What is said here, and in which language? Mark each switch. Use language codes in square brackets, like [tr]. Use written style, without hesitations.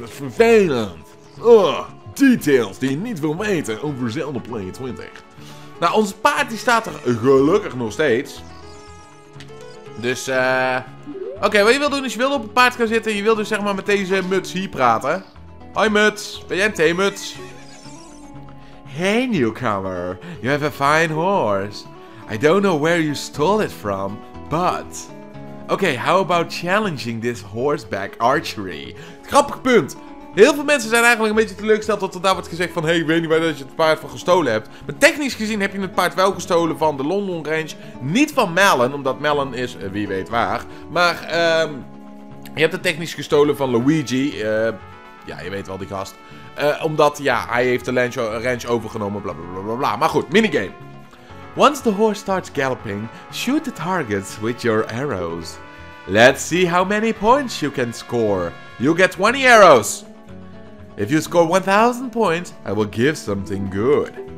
[nl] Dat is vervelend. Oh, details die je niet wil weten over Zelda Play 20. Nou, ons paard die staat er gelukkig nog steeds. Dus, oké, wat je wil doen is je wil op een paard gaan zitten. En je wil dus zeg maar met deze muts hier praten. Hoi, muts. Ben jij een theemuts? [en] Hey newcomer, you have a fine horse. I don't know where you stole it from, but... okay, how about challenging this horseback archery? [nl] Grappig punt! Heel veel mensen zijn eigenlijk een beetje teleurgesteld dat er daar wordt gezegd van... hey, ik weet niet waar je het paard van gestolen hebt. Maar technisch gezien heb je het paard wel gestolen van de London Range. Niet van Mellon, omdat Mellon is wie weet waar. Maar je hebt het technisch gestolen van Luigi. Ja, je weet wel die gast. Omdat, ja, hij heeft de ranch overgenomen, bla bla bla bla bla. Maar goed, minigame. [en] Once the horse starts galloping, shoot the targets with your arrows. Let's see how many points you can score. You get 20 arrows. If you score 1000 points, I will give something good.